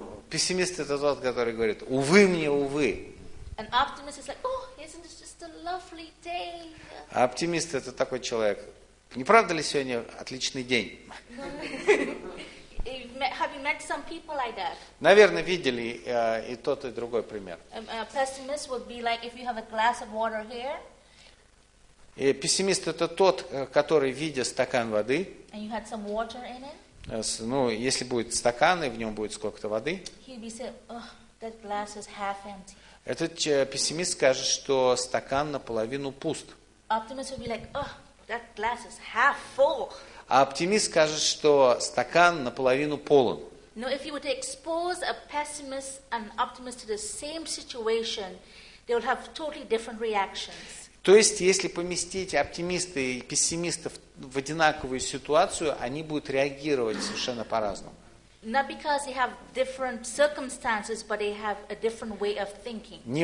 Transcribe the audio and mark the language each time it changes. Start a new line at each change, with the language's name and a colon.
Russian: Пессимист – это тот, который говорит, увы мне, увы.
English: An optimist is like, oh, isn't this just a lovely day?
Russian: А оптимист – это такой человек. Не правда ли сегодня отличный день?
English: Have you met some people like that?
Russian: Наверное, видели и тот, и другой пример.
English: A pessimist would be like, if you have a glass of water here.
Russian: И пессимист – это тот, который, видя стакан воды,
English: and you had some water in it.
Russian: Ну, если будет стакан, и в нем будет сколько-то воды,
English: he'd be saying, oh, that glass is half empty.
Russian: Этот пессимист скажет, что стакан наполовину пуст.
English: Optimist will be like, oh, that glass is half full.
Russian: А оптимист скажет, что стакан наполовину полон.
English: Now, if you were to expose a pessimist and optimist to the same situation, they would have totally different reactions.
Russian: То есть, если поместить оптимиста и пессимиста в одинаковую ситуацию, они будут реагировать совершенно по-разному.
English: Not because they have different circumstances, but they have a different way of thinking.